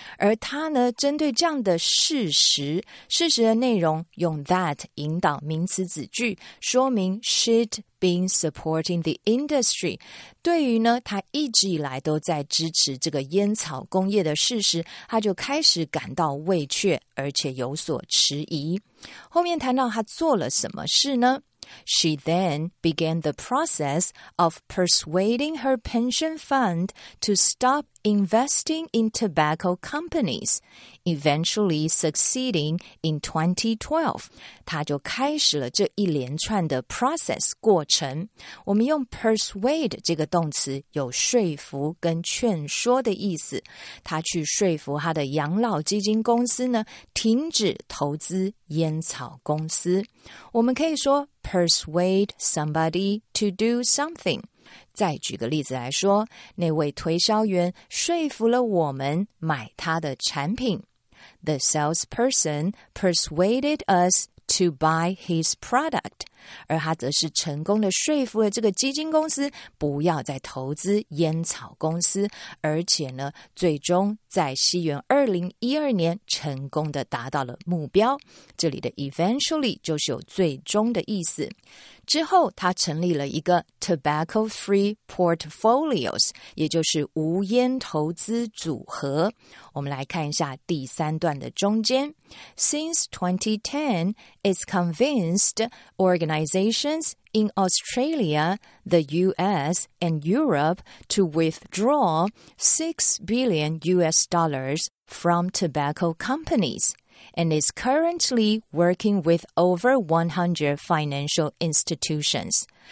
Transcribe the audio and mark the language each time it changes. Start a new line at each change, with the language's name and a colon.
Chinese: 而他呢针对这样的事实的内容用 that 引导名词子句，说明
English: should been supporting the industry,
Chinese: 对于呢他一直以来都在支持这个烟草工业的事实，他就开始感到未确而且有所迟疑。后面谈到他做了什么事呢？
English: She then began the process of persuading her pension fund to stop investing in tobacco companies, eventually succeeding in 2012.
Chinese: 他就开始了这一连串的 process 过程。我们用 persuade 这个动词有说服跟劝说的意思。他去说服他的养老基金公司呢，停止投资烟草公司。我们可以说 persuade somebody to do something。再举个例子来说，那位推销员说服了我们买他的产品。
English: The salesperson persuaded us to buy his product.
Chinese: 而他则是成功的说服了这个基金公司不要再投资烟草公司，而且呢，最终在西元2012年成功的达到了目标。这里的 eventually 就是有最终的意思。之后他成立了一个 tobacco-free portfolios, 也就是无烟投资组合。我们来看一下第三段的中间。
English: Since 2010, it's convinced organizations in Australia, the US and Europe to withdraw $6 billion from tobacco companies. And is currently working with over 100 financial institutions.